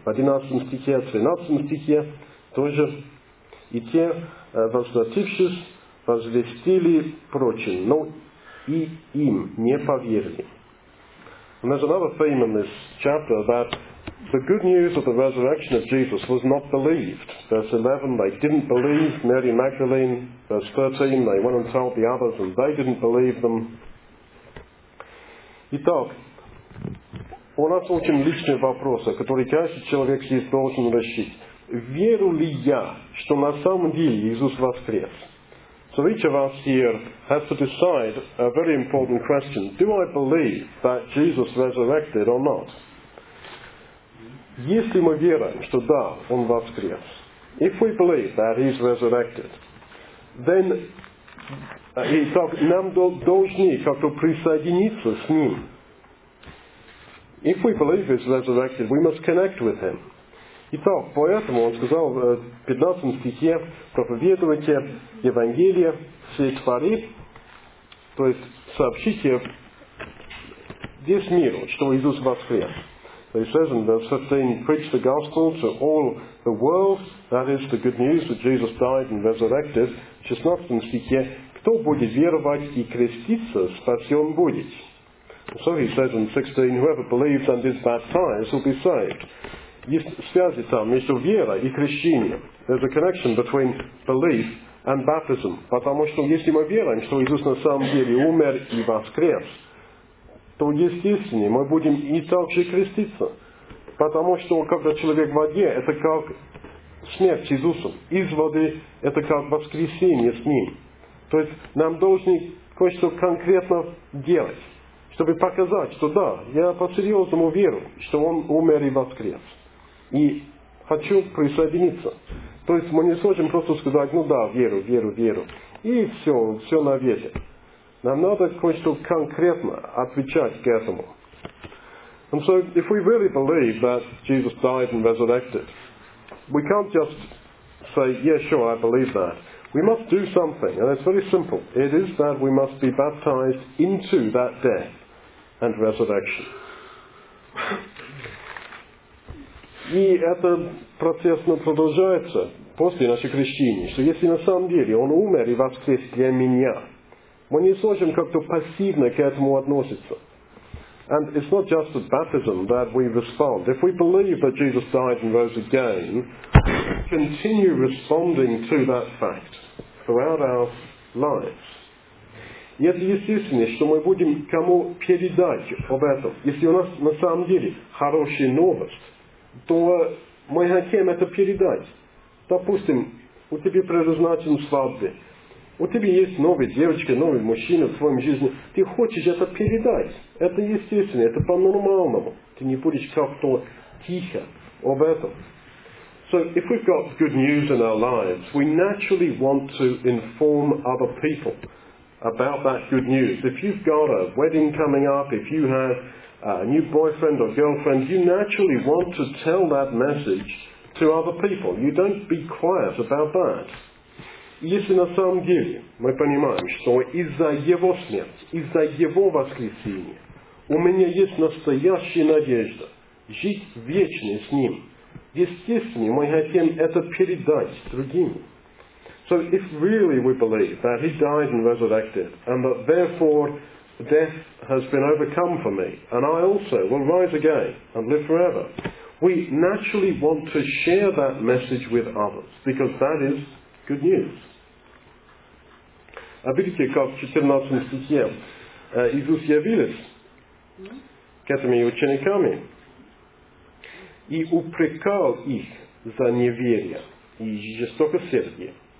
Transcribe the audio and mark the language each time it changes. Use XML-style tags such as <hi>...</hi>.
<ru>В 11 стихе, 13 стихе тоже: «И те, возвратившись, возвестили прочим, но и им не поверили».</ru> <en>And there's another theme in this chapter, that the good news of the resurrection of Jesus was not believed. Verse 11, they didn't believe Mary Magdalene. Verse 13, they went and told the others, and they didn't believe them.</en> <ru>Итак, у нас очень личный вопрос, который каждый человек здесь должен решить. Верю ли я, что на самом деле Иисус воскрес?</ru> <en>So each of us here has to decide a very important question. Do I believe that Jesus resurrected or not?</en> <ru>Если мы верим, что да, Он воскрес.</ru> <en>If we believe that He's resurrected, then</en> <ru>нам должны как-то присоединиться с Ним.</ru> <en>If we believe He's resurrected, we must connect with Him.</en> <ru>Итак, поэтому он сказал в 15 стихе: проповедуйте Евангелие всей твари, то есть сообщите весь мир, что Иисус воскрес.</ru> <en>So he says in verse 15, preach the gospel to all the world, that is the good news that Jesus died and resurrected.</en> <ru>В 16 стихе: кто будет веровать и креститься, спасен будет.</ru> <en>So he says in 16, whoever believes and is baptized will be saved.</en> <ru>Есть связи там между верой и крещением.</ru> <en>There's a connection between belief and baptism.</en> <ru>Потому что если мы верим, что Иисус на самом деле умер и воскрес, то естественно мы будем и также креститься. Потому что когда человек в воде, это как смерть с Иисусом. Из воды это как воскресение с Ним. То есть нам должны кое-что конкретно делать, чтобы показать, что да, я по-серьезному верю, что Он умер и воскрес. И хочу присоединиться. То есть мы не сможем просто сказать, ну да, верю, верю, верю. И все, все на ветер. Нам надо кое-что конкретно отвечать к этому.</ru> <en>And so, if we really believe that Jesus died and resurrected, we can't just say, yeah, sure, I believe that. We must do something, and it's very simple. It is that we must be baptized into that death and resurrection.</en> <ru>И этот процесс продолжается после нашего крещения, что если на самом деле Он умер и воскрес для меня, мы не сможем как-то пассивно к этому относиться.</ru> <en>And it's not just at baptism that we respond. If we believe that Jesus died and rose again, continue responding to that fact throughout our lives.</en> <ru>Это естественно, что мы будем кому передать об этом. Если у нас на самом деле хорошая новость, то мы хотим это передать. Допустим, у тебя предназначен свадьба. У тебя есть новая девочка, новый мужчина в твоем жизни. Ты хочешь это передать. Это естественно, это по-нормальному. Ты не будешь как-то тихо об этом.</ru> <en>So if we've got good news in our lives, we naturally want to inform other people about that good news. If you've got a wedding coming up, if you have a new boyfriend or girlfriend, you naturally want to tell that message to other people. You don't be quiet about that.</en> <ru>Если на самом деле мы понимаем, что из-за его смерти, из-за его воскресения, у меня есть настоящая надежда жить вечно с ним, естественно, мы хотим это передать другим.</ru> <en>So if really we believe that he died and resurrected, and that therefore death has been overcome for me, and I also will rise again and live forever, we naturally want to share that message with others, because that is good news.</en> <ru>А видите, как в 14 стихе Иисус явился к этими учениками и упрекал их за неверие и жестокосердие.</ru>